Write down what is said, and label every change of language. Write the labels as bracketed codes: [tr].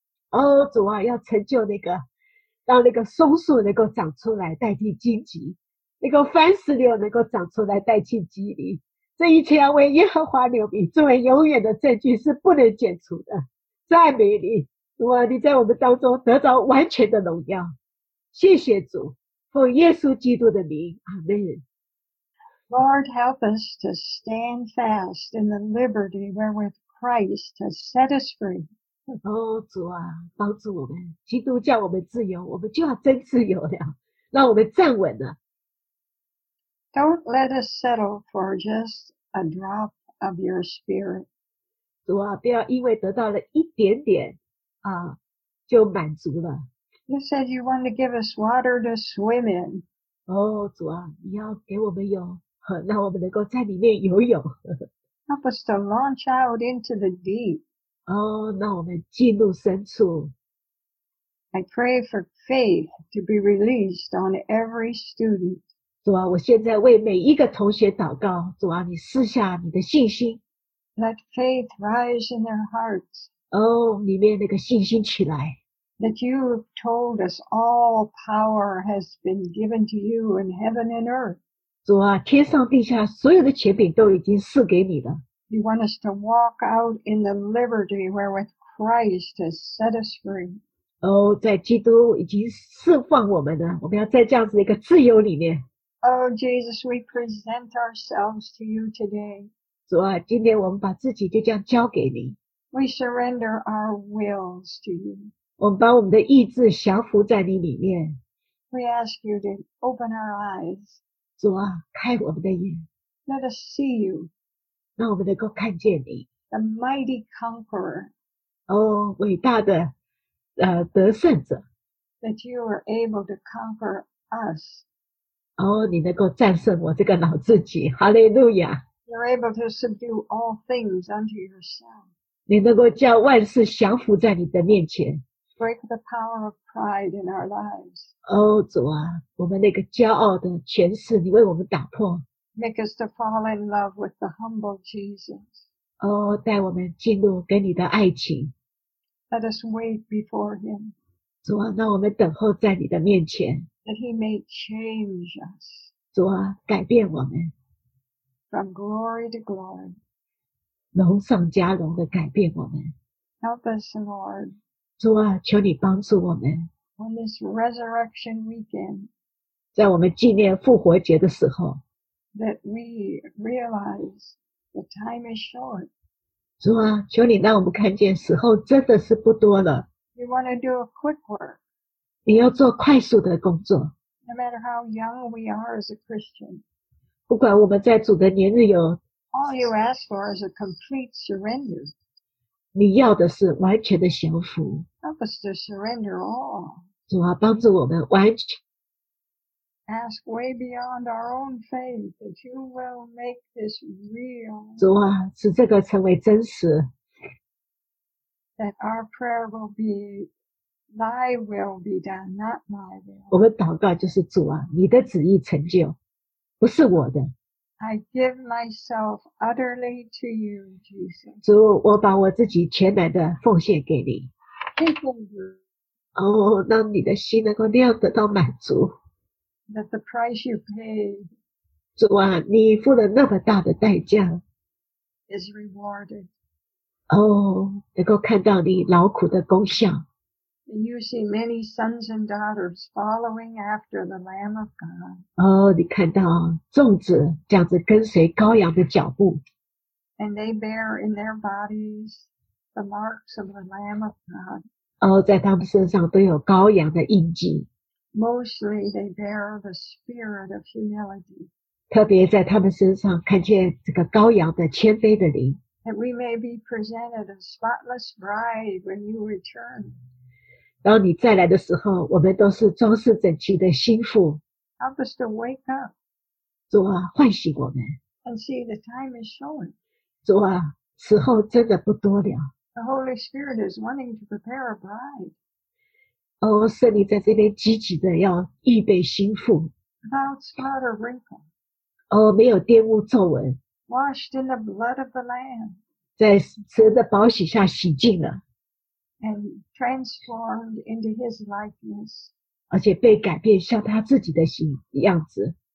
[zh] 哦，主啊，要成就那个。让那个松树能够长出来代替荆棘，那个番石榴能够长出来代替棘藜，这一切要为耶和华留名，作为永远的证据，是不能剪除的。赞美你，主啊，你在我们当中得着完全的荣耀。谢谢主，奉耶稣基督的名，阿门。 [en] Lord, help us to stand fast in the liberty wherewith Christ has set us free. [zh] 哦，主啊，帮助我们，基督叫我们自由，我们就要真自由了，让我们站稳了。 [en] Don't let us settle for just a drop of your spirit. [zh] 主啊，不要因为得到了一点点啊，就满足了。 [en] You said you want to give us water to swim in. [zh] 哦，主啊，你要给我们有，让我们能够在里面游泳。 [en] Help us to launch out into the deep. [zh] 哦，那我们进入深处。 [en] I pray for faith to be released on every student. [zh] 主啊，我现在为每一个同学祷告。主啊，你赐下你的信心。 [en] Let faith rise in their hearts. [zh] 哦，里面那个信心起来。 [en] That you have told us all power has been given to you in heaven and earth. [zh] 主啊，天上地下所有的权柄都已经赐给你了。 [en] You want us to walk out in the liberty wherewith Christ has set us free. [zh] Oh, 在基督已经释放我们了，我们要在这样子一个自由里面。 [en] Oh, Jesus, we present ourselves to you today. [zh] 主啊，今天我们把自己就这样交给你。 [en] We surrender our wills to you. [zh] 我们把我们的意志降服在你里面。 [en] We ask you to open our eyes. [zh] 主啊，开我们的眼。 [en] Let us see you. [zh] 让我们能够看见你 [en] ，The mighty conqueror， [zh] 哦，伟大的得胜者 [en] ，That you are able to conquer us， [zh] 哦，你能够战胜我这个老自己，哈利路亚 [en] ，You're able to subdue all things unto yourself， [zh] 你能够叫万事降服在你的面前 [en] ，Break the power of pride in our lives， [zh] 哦，主啊，我们那个骄傲的权势，你为我们打破。 [en] Make us to fall in love with the humble Jesus. [zh] 哦，带我们进入跟你的爱情。 [en] Let us wait before him. [zh] 主啊，让我们等候在你的面前。 [en] That he may change us. [zh] 主啊，改变我们。 [en] From glory to glory. [zh] 荣上加荣的改变我们。 [en] Help us, Lord. [zh] 主啊，求你帮助我们。 [en] On this resurrection weekend. [zh] 在我们纪念复活节的时候。 [en] That we realize the time is short. [zh] 主啊，求你让我们看见时候真的是不多了。 [en] You want to do a quick work. [zh] 你要做快速的工作。 [en] No matter how young we are as a Christian. [zh] 不管我们在主的年日有。 [en] All you ask for is a complete surrender. [zh] 你要的是完全的降服。 [en] Help us to surrender all. [zh] 主啊，帮助我们完全。 [en] Ask way beyond our own faith that you will make this real. [zh] 主啊，使这个成为真实。 [en] That our prayer will be, thy will be done, not my will. [zh] 我们祷告就是主啊，你的旨意成就，不是我的。 [en] I give myself utterly to you, Jesus. [zh] 主，我把我自己全然的奉献给你。哦，让你的心能够量得到满足。 [en] That the price you paid, [zh] 主啊，你付了那么大的代价 [en] ，is rewarded. [zh] 哦，能够看到你劳苦的功效。 [en] And you see many sons and daughters following after the Lamb of God. [zh] 哦，你看到众子这样子跟随羔羊的脚步。 [en] And they bear in their bodies the marks of the Lamb of God. [zh] 哦，在他们身上都有羔羊的印记。 [en] Mostly they bear the spirit of humility. [zh] 特别在他们身上看见这个羔羊的谦卑的灵。 [en] That we may be presented a spotless bride when you return. [zh] 当你再来的时候，我们都是装饰整齐的心腹。 [en] Help us to wake up. [zh] 主啊，唤醒我们。 [en] And see the time is short. [zh] 主啊，时候真的不多了。 [en] The Holy Spirit is wanting to prepare a bride. [zh] 哦，圣灵在这边积极的要预备心腹。 [en] Without spot or wrinkle. [zh] 哦，没有玷污皱纹。 [en] Washed in the blood of the Lamb. [zh] 在神的宝血下洗净了。 [en] And transformed into His likeness. [zh] 而且被改变像他自己的形样子。